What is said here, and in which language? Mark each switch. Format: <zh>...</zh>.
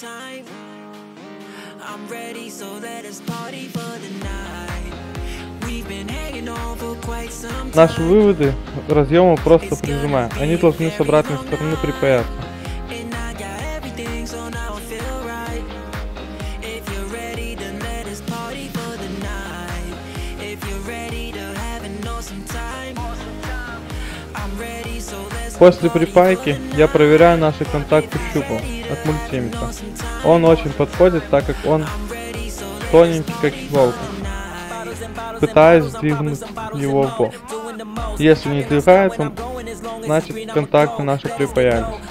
<en>I'm ready, so let us party for the night. We've been hanging on for quite some time.</en> <ru>Наши выводы разъема просто прижимаем. Они должны с обратной стороны припаяться.</ru> <en>And I got everything, so now I feel right. If you're ready, then let us party for the night. If you're ready to have an awesome time. I'm ready, so let's.</en> <ru>После припайки я проверяю наши контакты щупом от мультимета. Он очень подходит, так как он тоненький, как иголка. Пытаюсь сдвинуть его в бок. Если не сдвигается, значит контакты наши припаялись.</ru>